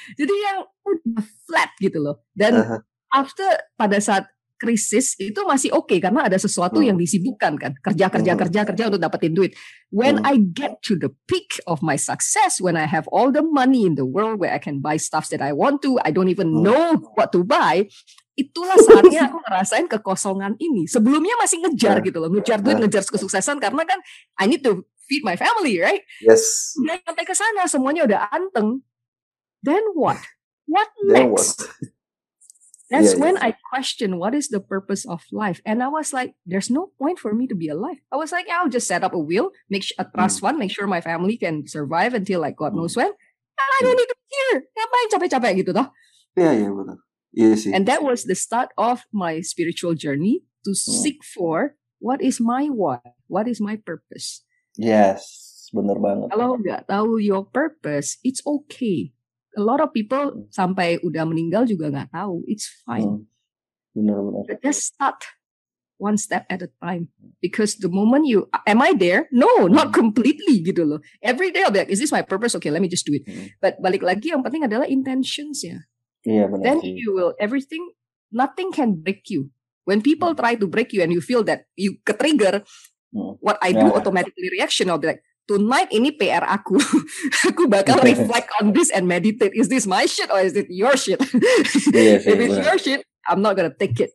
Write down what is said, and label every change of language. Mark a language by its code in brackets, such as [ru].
[id] Jadi yang udah flat gitu loh. Dan after pada saat krisis itu masih okay karena ada sesuatu yang disibukkan kan. Kerja untuk dapetin duit. [en] When I get to the peak of my success, when I have all the money in the world where I can buy stuff that I want to, I don't even know what to buy, [id] itulah saatnya aku ngerasain kekosongan ini. Sebelumnya masih ngejar gitu loh. Ngejar duit, ngejar kesuksesan karena kan [en] I need to feed my family, right? Yes. [id] Udah sampai ke sana, semuanya udah anteng. [en] Then what? What next? That's when I question what is the purpose of life. And I was like, there's no point for me to be alive. I was like, yeah, I'll just set up a will, make a trust fund, make sure my family can survive until like God knows when. And I don't need to be here. [id] Ngapain capek-capek gitu toh? [en] Yeah, benar. Yeah, and that was the start of my spiritual journey to seek for what is my why, what is my purpose. [id] Yes, benar banget. Kalau nggak tahu [en] your purpose, it's okay. [id] A lot of people sampai udah meninggal juga nggak tahu. [en] It's fine. [id] Benar-benar. [en] Just start one step at a time. Because the moment you, am I there? No, not completely [id] gitu loh. [en] Every day I'll be like, is this my purpose? Okay, let me just do it. [id] But balik lagi yang penting adalah intentions ya. Iya benar. [en] Then you will everything, nothing can break you. When people try to break you and you feel that you ketrigger, what I do automatically reaction, I'll be like, tonight [id] ini PR aku. Aku bakal [en] reflect on this and meditate. Is this my shit or is it your shit? If it's your shit, I'm not gonna take it.